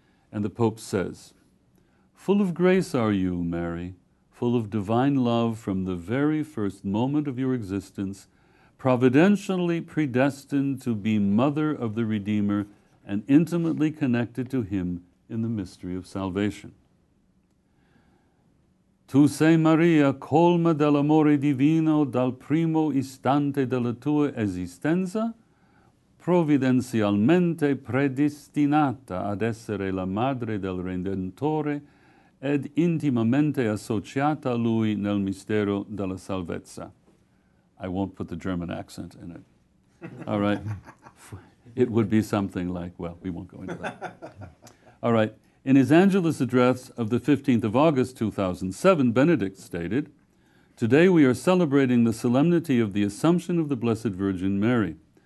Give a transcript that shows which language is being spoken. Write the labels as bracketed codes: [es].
[en] And the Pope says, "Full of grace are you, Mary, full of divine love from the very first moment of your existence, providentially predestined to be mother of the Redeemer and intimately connected to him in the mystery of salvation. [it] Tu sei Maria, colma dell'amore divino dal primo istante della tua esistenza, providenzialmente predestinata ad essere la madre del Redentore ed intimamente associata a lui nel mistero della salvezza." [en] I won't put the German accent in it. All right. It would be something like, well, we won't go into that. All right. In his Angelus address of the 15th of August 2007, Benedict stated, "Today we are celebrating the solemnity of the Assumption of the Blessed Virgin Mary.